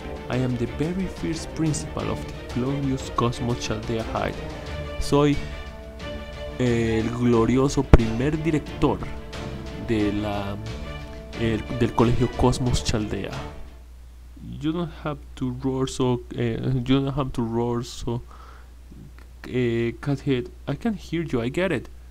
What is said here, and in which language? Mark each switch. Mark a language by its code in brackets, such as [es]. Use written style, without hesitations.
[en] I am the very first principal of the glorious Cosmos Chaldea High. [es] Soy el glorioso primer director de la del colegio Cosmos Chaldea. [en] You don't have to roar so Cathead, I can hear you, I get it.